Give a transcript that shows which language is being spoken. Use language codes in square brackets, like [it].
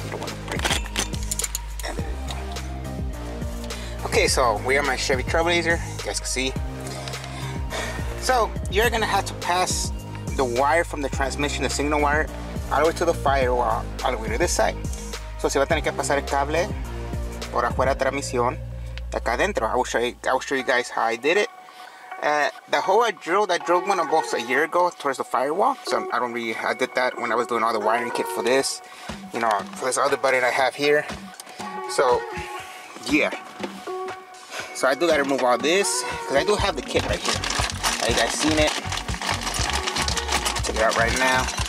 [en] You don't want to break it. Okay, so we are my Chevy Trailblazer. You guys can see. So, you're going to have to pass the wire from the transmission, the signal wire, all the way to the firewall, all the way to this side. [es] So, si va a tener que pasar el cable por afuera de transmisión, acá adentro. [en] I will show you guys how I did it. I drilled one almost a year ago towards the firewall. So I did that when I was doing all the wiring kit for this, you know, for this other button I have here. So yeah. So I do gotta remove all this because I do have the kit right here. Have you guys seen it? Check it out right now.